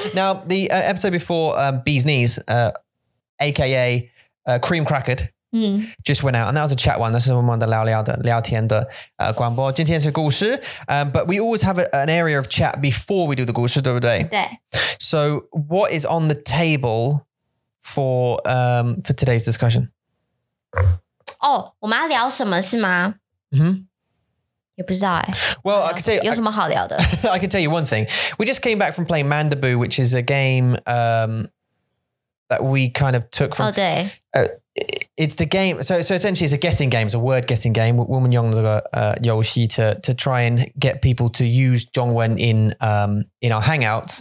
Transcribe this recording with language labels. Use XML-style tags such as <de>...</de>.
<en>Now, the episode before Bee's Knees, aka Cream Crackered, just went out. And that was a chat one. This is one of the</en> <zh>聊天的广播. 今天是故事.</zh> <en>But we always have an area of chat before we do the 故事,</en> <zh>对不对? 对.</zh> <en>So what is on the table for today's discussion?</en> <zh>Oh, 我们要聊什么是吗? Mm-hmm. 也不知道欸.</zh> <en>Well, I can tell you,</en> <zh>有什么好聊的?</zh> <en>I can tell you one thing. We just came back from playing Mandaboo, which is a game that we kind of took from.</en> <zh>Oh, 对.</zh> <en>It's the game. So essentially, it's a guessing game. It's a word guessing game. Woman Yong the Yoshi to try and get people to use Zhongwen in our hangouts.</en>